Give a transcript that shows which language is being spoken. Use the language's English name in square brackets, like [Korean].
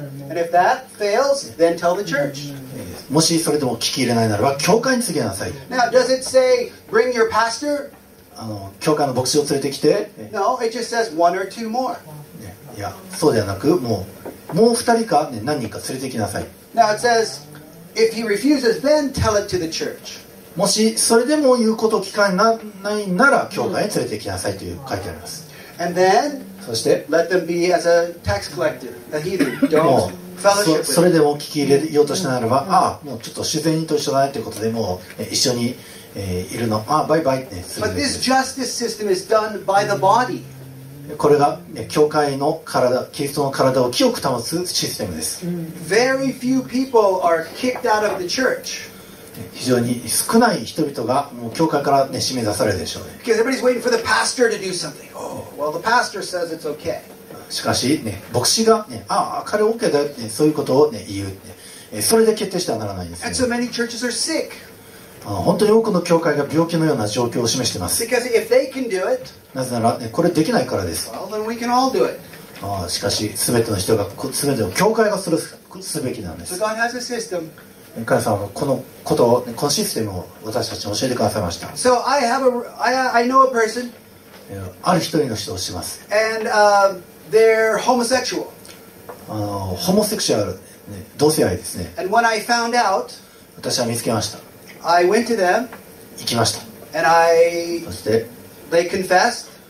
[English] And if that fails, then tell the church. [Japanese] もしそれでも聞き入れないならば教会に告げなさい。 [English] Now, does it say, bring your pastor? [Japanese] 教会の牧師を連れてきて。 [English] No, it just says one or two more. [Japanese] いや、そうではなくもう二人か、ね、何人か連れてきなさい。 [English] Now, it says, if he refuses, then tell it to the church. [Japanese] もしそれでも言うことを聞かないなら教会に連れてきなさいという書いてあります。 [English] And then, [Japanese] そして [English] Let them be as a tax collector, a heathen. Don't fellowship with. [Japanese] それでも聞き入れようとしたならば、ああ、もうちょっと自然にと一緒だねということで、もう一緒にいるの。ああ、バイバイってする。 [English] But this justice system is done by the body. [Japanese] これが教会の体、キリストの体を清く保つシステムです。 [English] Very few people are kicked out of the church. [Japanese] 非常に少ない人々がもう教会から、ね、締め出されるでしょうね。 [English] Because everybody's waiting for the pastor to do something. Oh, well, the pastor says it's okay. [Japanese] しかし、ね、牧師が、ね、ああ、彼 OK だよって、ね、そういうことを、ね、言う、ね。それで決定してはならないんです、ね。 [English] And so many churches are sick. [Japanese] 本当に多くの教会が病気のような状況を示しています。 [English] Because if they can do it, [Japanese] なぜなら、ね、これできないからです。 [English] Well, then we can all do it. [Japanese] しかし、すべての人が、すべての教会がする、すべきなんです。 [English] So God has a system. [Japanese] 神様はこのことを、このシステムを私たちに教えてくださいました。 [English] So、I have a, I know a person. [Japanese] ある一人の人を知ります。 [English] And, they're homosexual. [Japanese] ホモセクシュアル、ね、同性愛ですね。 [English] And when I found out, [Japanese] 私は見つけました。 [English] I went to them, [Japanese] 行きました。 [English] And I, [Japanese] そして、 [English] they confessed,